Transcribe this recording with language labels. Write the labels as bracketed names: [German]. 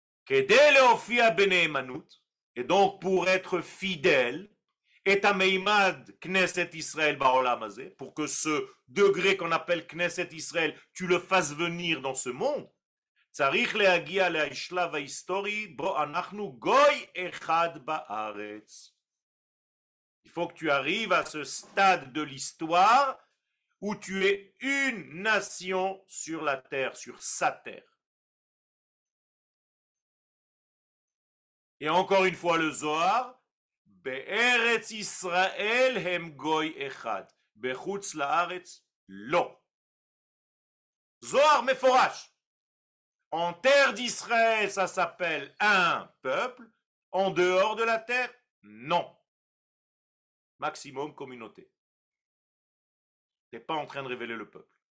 [French] Et donc pour être fidèle, et à Meimad Knesset Israël [Hebrew] Baolam Azé, [French] pour que ce degré qu'on appelle Knesset Israël, tu le fasses venir dans ce monde. [Hebrew] צריך להגיע לשלב ההיסטורי בו אנחנו גוי אחד בארץ. [French] Il faut que tu arrives à ce stade de l'histoire où tu es une nation sur la terre, sur sa terre. Et encore une fois le Zohar, [Hebrew] בארץ ישראל הם גוי אחד, בחוץ לארץ לא. [French] Zohar [Hebrew] מפורש. [French] En terre d'Israël, ça s'appelle un peuple. En dehors de la terre, non. Maximum communauté. Tu n'es pas en train de révéler le peuple.